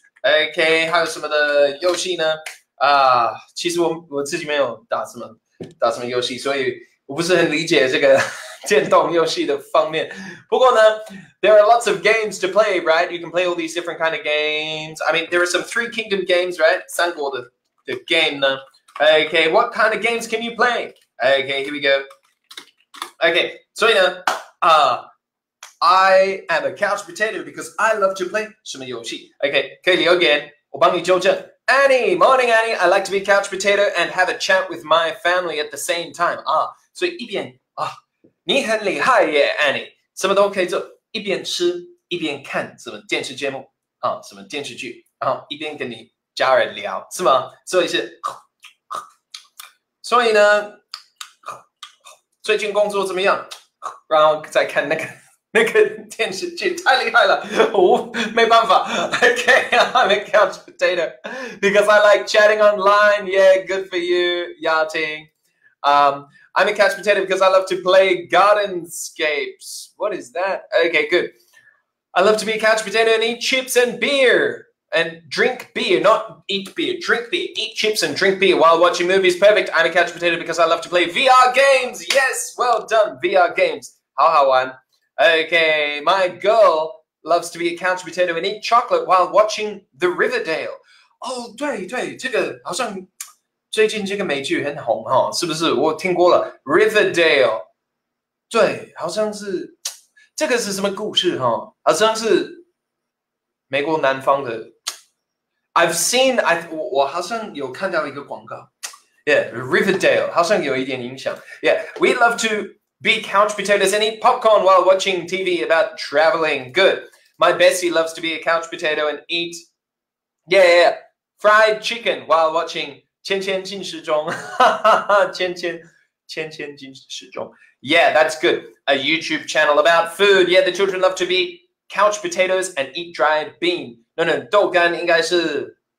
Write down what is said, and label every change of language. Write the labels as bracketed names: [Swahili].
[Chinese] OK， 还有什么的游戏呢？其实我自己没有打什么游戏，所以我不是很理解这个。电动游戏的方面，不过呢 ， [English] there are lots of games to play, right? You can play all these different kind of games. I mean, there are some Three Kingdom games, right? [Chinese] 三国的 game 呢 [English] ？Okay, what kind of games can you play? Okay, here we go. Okay, [Chinese] 所以呢， [English] I am a couch potato because I love to play [Chinese] 什么游戏 [English] ？Okay, [Chinese] 可以留言，我帮你纠正。 [English] Annie, morning, Annie. I like to be a couch potato and have a chat with my family at the same time. [Chinese] 所以一边你很厉害耶 ，Annie， 什么都可以做，一边吃一边看什么电视节目啊，什么电视剧，然后一边跟你家人聊，是吗？所以呢，最近工作怎么样？然后再看那个电视剧，太厉害了，没办法 ，Okay， [English] I'm a couch potato because I like chatting online. Yeah, good for you, Yating. I'm a couch potato because I love to play Gardenscapes. What is that? Okay, good. I love to be a couch potato and eat chips and beer. And drink beer, not eat beer. Drink beer. Eat chips and drink beer while watching movies. Perfect. I'm a couch potato because I love to play VR games. Yes, well done, VR games. How how one. Okay, my girl loves to be a couch potato and eat chocolate while watching The Riverdale. [Chinese] Oh, 对对，这个好像最近这个美剧很红哈，是不是？我听过了 Riverdale， 对，好像是这个是什么故事哈？好像是美国南方的。我好像有看到一个广告 ，Yeah， Riverdale 好像有一点影响。 [English] Yeah， we love to be couch potatoes and eat popcorn while watching TV about traveling. Good. My bestie loves to be a couch potato and eat fried chicken while watching. [Chinese] 千千进时钟，千千千千进时钟。 [English] Yeah, that's good. A YouTube channel about food. Yeah, the children love to be couch potatoes and eat dried bean. No, [Chinese] 豆干应该是